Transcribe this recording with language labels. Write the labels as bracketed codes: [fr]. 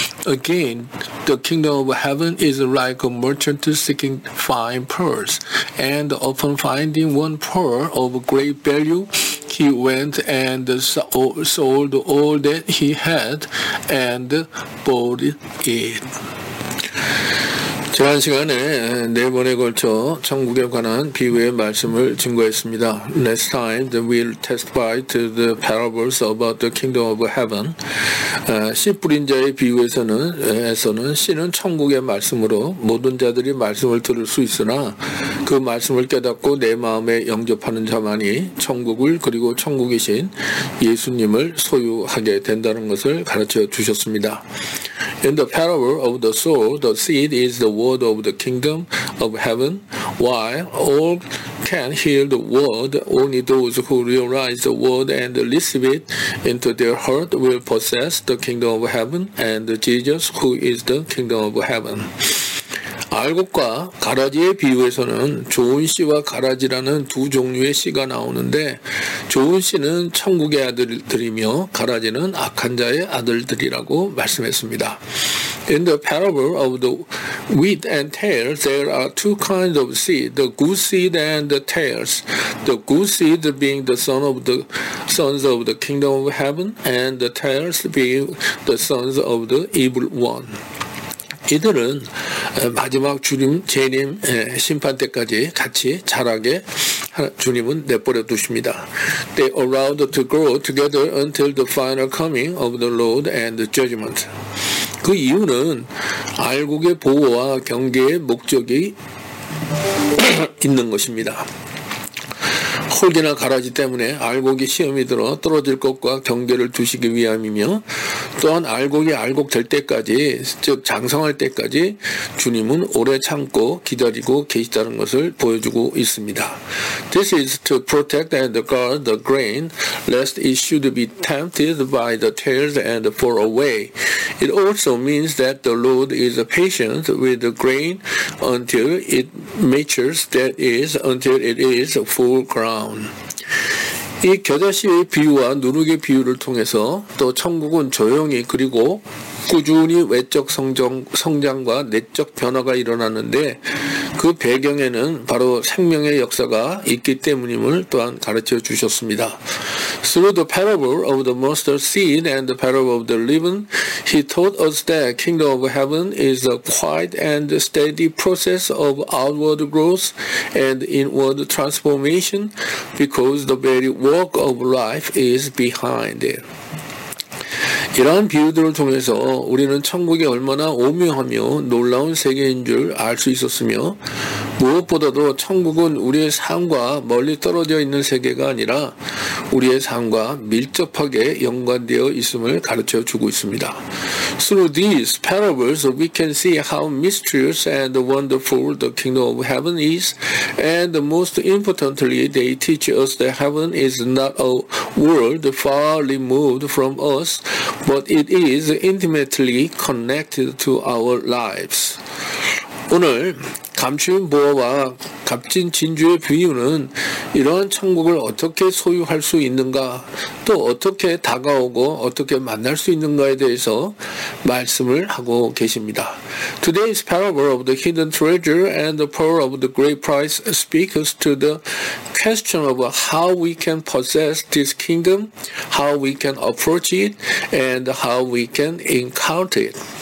[en] Again, the kingdom of heaven is like a merchant seeking fine pearls, and upon finding one pearl of great value, he went and sold all that he had and bought it. [ko] 지난 시간에 네 번에 걸쳐 천국에 관한 비유의 말씀을 증거했습니다. [en] Next time we'll testify to the parables about the kingdom of heaven. [ko] 씨 뿌린 자의 비유에서는 씨는 천국의 말씀으로 모든 자들이 말씀을 들을 수 있으나 그 말씀을 깨닫고 내 마음에 영접하는 자만이 천국을 그리고 천국이신 예수님을 소유하게 된다는 것을 가르쳐 주셨습니다. [en] In the parable of the sower, the seed is the word of the kingdom of heaven, while all can hear the word, only those who realize the word and receive it into their heart will possess the kingdom of heaven and Jesus, who is the kingdom of heaven. [ko] 알곡과 가라지의 비유에서는 좋은 씨와 가라지라는 두 종류의 씨가 나오는데 좋은 씨는 천국의 아들들이며 가라지는 악한 자의 아들들이라고 말씀했습니다. [en] In the parable of the wheat and tares, there are two kinds of seed, the good seed and the tares. The good seed being the sons of the kingdom of heaven, and the tares being the sons of the evil one. [ko] 이들은 마지막 주님 재림 심판 때까지 같이 자라게 주님은 내버려 두십니다. [en] They are allowed to grow together until the final coming of the Lord and the judgment. [ko] 그 이유는 알곡의 보호와 경계의 목적이 있는 것입니다. 홀기나 가라지 때문에 알곡이 시험이 들어 떨어질 것과 경계를 두시기 위함이며 또한 알곡이 알곡 될 때까지 즉 장성할 때까지 주님은 오래 참고 기다리고 계시다는 것을 보여주고 있습니다. [en] This is to protect and guard the grain, lest it should be tempted by the tares and fall away. It also means that the Lord is patient with the grain until it matures, that is, until it is full grown. [ko] 이 겨자씨의 비유와 누룩의 비유를 통해서 또 천국은 조용히 그리고 꾸준히 외적 성장과 내적 변화가 일어나는데 그 배경에는 바로 생명의 역사가 있기 때문임을 또한 가르쳐 주셨습니다. [en] Through the parable of the mustard seed and the parable of the leaven, he taught us that kingdom of heaven is a quiet and steady process of outward growth and inward transformation because the very work of life is behind it. [ko] 이러한 비유들을 통해서 우리는 천국이 얼마나 오묘하며 놀라운 세계인 줄 알 수 있었으며 무엇보다도 천국은 우리의 삶과 멀리 떨어져 있는 세계가 아니라 우리의 삶과 밀접하게 연관되어 있음을 가르쳐 주고 있습니다. [en] Through these parables, we can see how mysterious and wonderful the kingdom of heaven is, and most importantly, they teach us that heaven is not a world far removed from us, but it is intimately connected to our lives. [ko] 오늘 감추인 보화와 값진 진주의 비유는 이러한 천국을 어떻게 소유할 수 있는가, 또 어떻게 다가오고 어떻게 만날 수 있는가에 대해서 말씀을 하고 계십니다. [en] Today's parable of the hidden treasure and the pearl of the great price speaks to the question of how we can possess this kingdom, how we can approach it, and how we can encounter it.